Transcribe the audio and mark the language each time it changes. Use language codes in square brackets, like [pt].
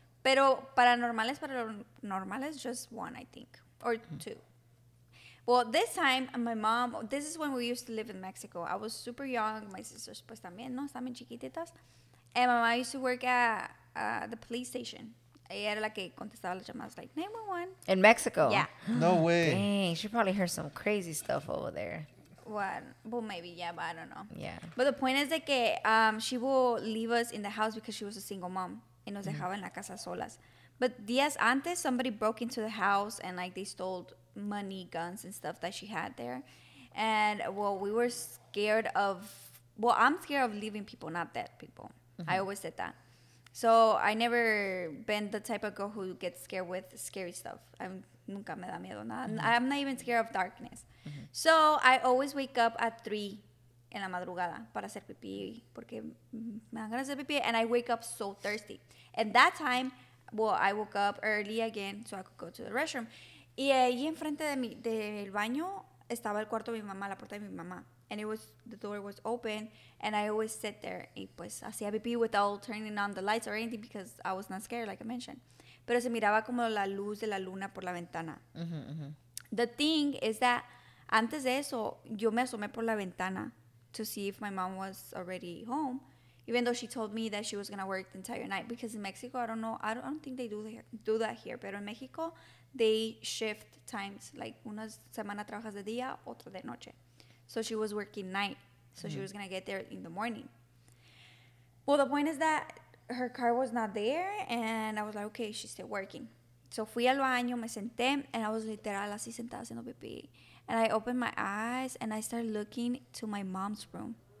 [es] Pero paranormales, paranormales, [en] just one, I think. Or two. Well, this time, my mom, this is when we used to live in Mexico. I was super young. My sisters, [es] pues, también, ¿no? Estaban chiquititas. [en] And my mom used to work at the police station. [es] Ella era la que contestaba las llamadas, like, 911. [en] In Mexico? Yeah. No way. Dang, she probably heard some crazy stuff over there. Well, maybe, yeah, but I don't know. Yeah. But the point is [es] de que [en] she will leave us in the house because she was a single mom. [es] Y nos dejaba en la casa solas. [en] But [es] días antes, [en] somebody broke into the house and, like, they stole money, guns, and stuff that she had there. And, we were scared of, I'm scared of leaving people, not dead people. Mm-hmm. I always said that. So I never been the type of girl who gets scared with scary stuff. [es] Nunca me da miedo nada. [en] I'm not even scared of darkness. Mm-hmm. So I always wake up at 3 [es] en la madrugada para hacer pipí porque me dan ganas de pipí. [en] And I wake up so thirsty. And that time, I woke up early again so I could go to the restroom. [es] Y ahí enfrente del baño estaba el cuarto de mi mamá, la puerta de mi mamá. [en] And the door was open, and I always sit there. [es] Y pues, hacía pipí [en] without turning on the lights or anything because I was not scared, like I mentioned. [es] Pero se miraba como la luz de la luna por la ventana. [en] The thing is that, [es] antes de eso, yo me asomé por la ventana [en] to see if my mom was already home, even though she told me that she was going to work the entire night. Because in Mexico, I don't know, I don't think they do that here. [es] Pero en México, [en] they shift times. [es] Like, una semana trabajas de día, otra de noche. [en] So she was working night. So she was going to get there in the morning. Well, the point is that her car was not there. And I was like, okay, she's still working. So [es] fui al baño, me senté. [en] And I was literal [es] así sentada haciendo pipí. [en] And I opened my eyes. And I started looking to my mom's room.